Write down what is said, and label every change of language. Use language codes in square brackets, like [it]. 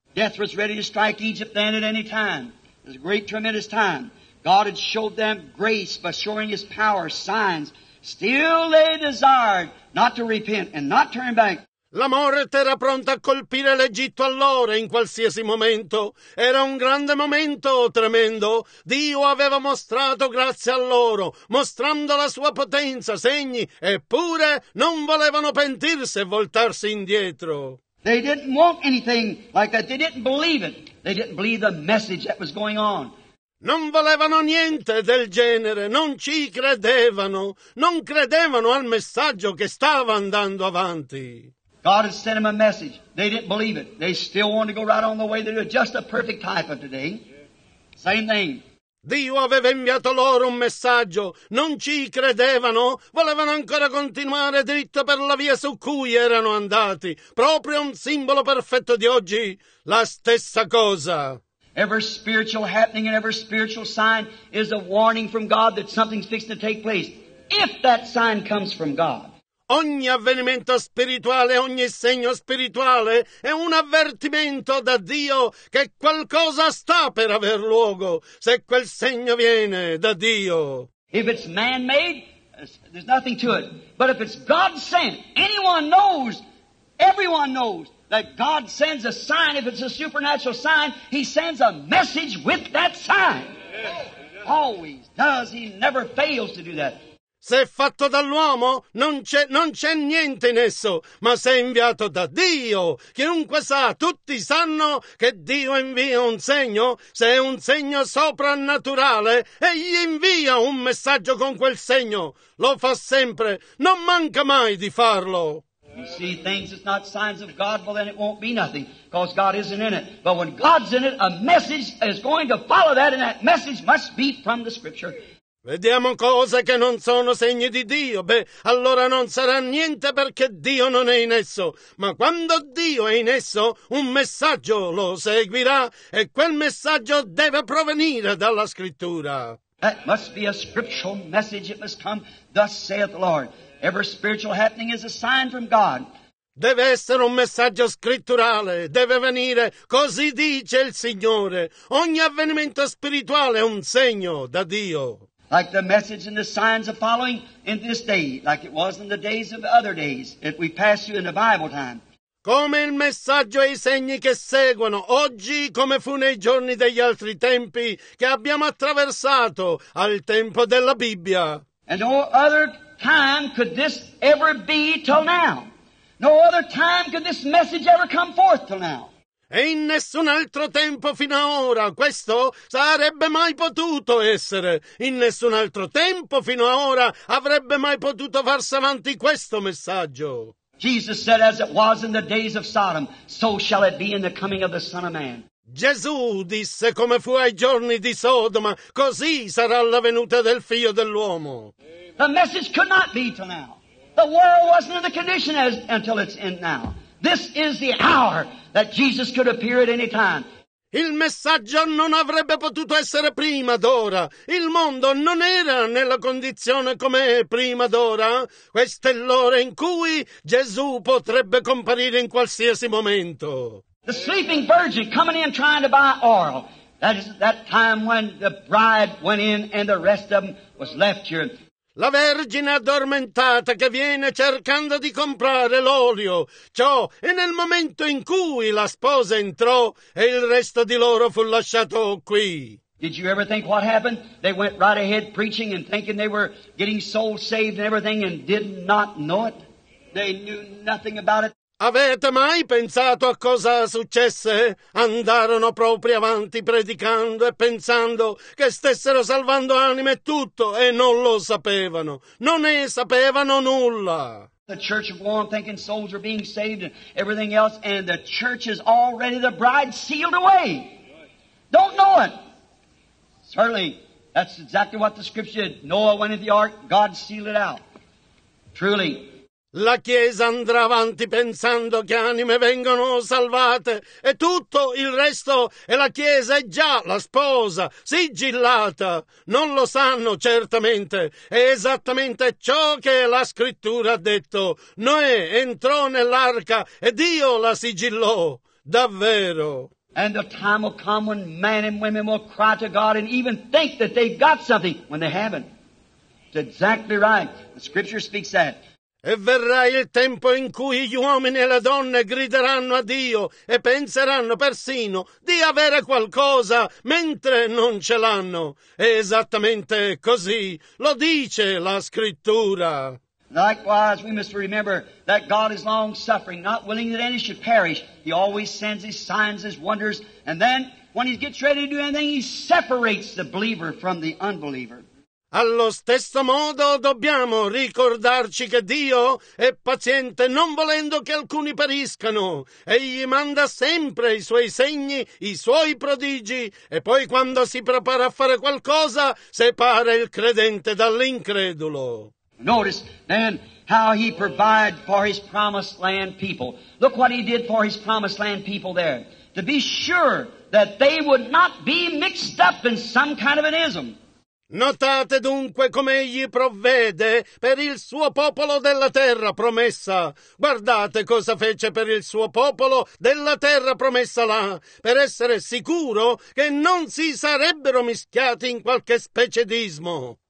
[en] Death was ready to strike Egypt then at any time. It was a great, tremendous time. God had showed them grace by showing his power, signs. Still they desired not to repent and not turn back. [it] La morte era pronta a colpire l'Egitto allora, in qualsiasi momento. Era un grande momento, tremendo. Dio aveva mostrato grazia a loro, mostrando la sua potenza, segni, eppure non volevano pentirsi e voltarsi indietro. [en] They didn't want anything like that. They didn't believe it. They didn't believe the message that was going on. [it] Non volevano niente del genere, non ci credevano. Non credevano al messaggio che stava andando avanti. [en] God had sent them a message. They didn't believe it. They still wanted to go right on the way. They were just a perfect type of today. Same thing. [it] Dio aveva inviato loro un messaggio. Non ci credevano. Volevano ancora continuare dritto per la via su cui erano andati. Proprio un simbolo perfetto di oggi. La stessa cosa. [en] Every spiritual happening and every spiritual sign is a warning from God that something's fixing to take place. If that sign comes from God. [it] ogni avvenimento spirituale, ogni segno spirituale è un avvertimento da Dio che qualcosa sta per aver luogo se quel segno viene da Dio. [en] If it's man-made, there's nothing to it. But if it's God sent, anyone knows, everyone knows that God sends a sign. If it's a supernatural sign, he sends a message with that sign. Always does. He never fails to do that. [it] Se è fatto dall'uomo, non c'è niente in esso, ma se è inviato da Dio. Chiunque sa, tutti sanno che Dio invia un segno. Se è un segno soprannaturale, egli invia un messaggio con quel segno. Lo fa sempre, non manca mai di farlo. [en] You see, things that's not signs of God, well then it won't be nothing, because God isn't in it. But when God's in it, a message is going to follow that, and that message must be from the Scripture. [it] Vediamo cose che non sono segni di Dio. Beh, allora non sarà niente perché Dio non è in esso. Ma quando Dio è in esso, un messaggio lo seguirà e quel messaggio deve provenire dalla Scrittura. [en] That must be a scriptural message. It must come, thus saith the Lord. Every spiritual happening is a sign from God. [it] Deve essere un messaggio scritturale, deve venire, così dice il Signore. Ogni avvenimento spirituale è un segno da Dio. [en] Like the message and the signs are following in this day, like it was in the days of other days, if we pass you in the Bible time. [it] Come il messaggio e i segni che seguono oggi, come fu nei giorni degli altri tempi che abbiamo attraversato al tempo della Bibbia. [en] And no other time could this ever be till now. No other time could this message ever come forth till now. [it] E in nessun altro tempo fino ad ora questo sarebbe mai potuto essere. In nessun altro tempo fino ad ora avrebbe mai potuto farsi avanti questo messaggio. [en] Jesus said, as it was in the days of Sodom, so shall it be in the coming of the Son of Man. [it] Gesù disse, come fu ai giorni di Sodoma, così sarà la venuta del Figlio dell'uomo. [en] The message could not be till now. The world wasn't in the condition as until it's in now. This is the hour that Jesus could appear at any time. [it] Il messaggio non avrebbe potuto essere prima d'ora. Il mondo non era nella condizione come è prima d'ora. Questa è l'ora in cui Gesù potrebbe comparire in qualsiasi momento. [en] The sleeping virgin coming in trying to buy oil. That is that time when the bride went in and the rest of them was left here. [it] La Vergine addormentata che viene cercando di comprare l'olio. Ciò è nel momento in cui la sposa entrò e il resto di loro fu lasciato qui. [en] Did you ever think what happened? They went right ahead preaching and thinking they were getting souls saved and everything and did not know it. They knew nothing about it. [it] Avete mai pensato a cosa successe? Andarono proprio avanti predicando e pensando che stessero salvando anime e tutto, e non lo sapevano. Non ne sapevano nulla. [en] The church of Rome thinking souls are being saved and everything else, and the church is already the bride sealed away. Don't know it. Certainly, that's exactly what the scripture did. Noah went in the ark, God sealed it out. Truly. [it] La Chiesa andrà avanti pensando che anime vengono salvate e tutto il resto, e la Chiesa è già la sposa sigillata. Non lo sanno certamente, è esattamente ciò che la Scrittura ha detto. Noè entrò nell'arca e Dio la sigillò, davvero. [en] And the time will come when men and women will cry to God and even think that they've got something when they haven't. It's exactly right. The Scripture speaks that. [it] E verrà il tempo in cui gli uomini e le donne grideranno a Dio e penseranno persino di avere qualcosa mentre non ce l'hanno. È esattamente così, lo dice la Scrittura. [en] Likewise, we must remember that God is long suffering, not willing that any should perish. He always sends his signs, his wonders, and then when he gets ready to do anything, he separates the believer from the unbeliever. [it] Allo stesso modo dobbiamo ricordarci che Dio è paziente, non volendo che alcuni periscano. Egli manda sempre i suoi segni, i suoi prodigi, e poi quando si prepara a fare qualcosa, separa il credente dall'incredulo. [en] Notice then how he provided for his promised land people. Look what he did for his promised land people there. To be sure that they would not be mixed up in some kind of an ism. [it] Notate dunque come egli provvede per il suo popolo della terra promessa. Guardate cosa fece per il suo popolo della terra promessa là, per essere sicuro che non si sarebbero mischiati in qualche specie d'ismo.